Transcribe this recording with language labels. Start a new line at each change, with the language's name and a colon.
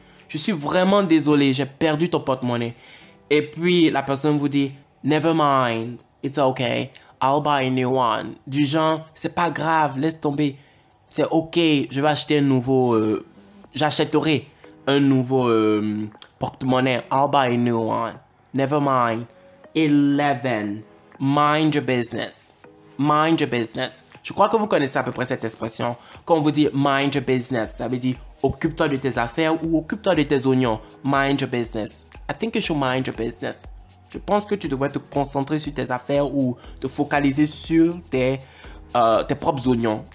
French: Je suis vraiment désolé, j'ai perdu ton porte-monnaie. Et puis, la personne vous dit,
English: never mind, it's okay, I'll buy a new one.
French: Du genre, c'est pas grave, laisse tomber, c'est okay, je vais acheter un nouveau, j'achèterai un nouveau porte-monnaie,
English: I'll buy a new one. Never mind. 11. Mind your business. Mind your business.
French: Je crois que vous connaissez à peu près cette expression. Quand on vous dit «
English: mind your business
French: », ça veut dire « occupe-toi de tes affaires » ou « occupe-toi de tes oignons ».«
English: Mind your business ». « I think you should mind your business
French: ». Je pense que tu devrais te concentrer sur tes affaires ou te focaliser sur tes propres oignons.